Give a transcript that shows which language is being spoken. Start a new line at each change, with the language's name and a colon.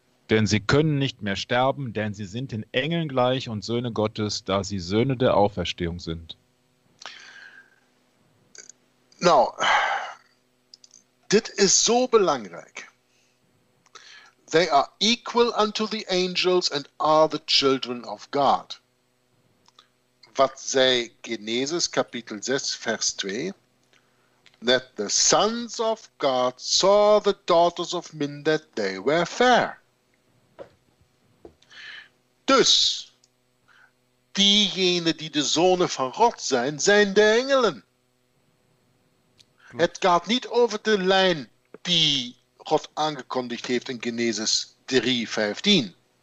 German: Denn sie können nicht mehr sterben, denn sie sind den Engeln gleich und Söhne Gottes, da sie Söhne der Auferstehung sind.
Dutch: Nou, dit is so belangrijk.
English: They are equal unto the angels and are the children of God.
Dutch: Wat zei Genesis Kapitel 6, Vers 2?
English: That the sons of God saw the daughters of men that they were fair.
Dutch: Dus, diegenen die de zonen van God zijn, zijn de engelen. Klopt. Het gaat niet over de lijn die God aangekondigd heeft in Genesis 3, 15.